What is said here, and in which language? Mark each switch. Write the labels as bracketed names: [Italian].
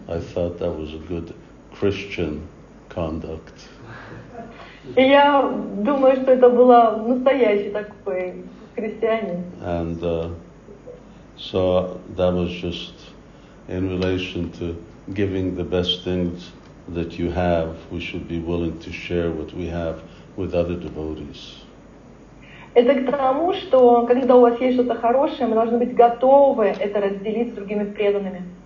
[English] I thought that was a good Christian conduct. [Russian] И я думаю, что это было настоящий такой христианин. [English] And so that was just in relation to giving the best things that you have, we should be willing to share what we have with other devotees. [Russian] Это к тому, что когда у вас есть что-то хорошее, мы должны быть готовы это разделить с другими преданными.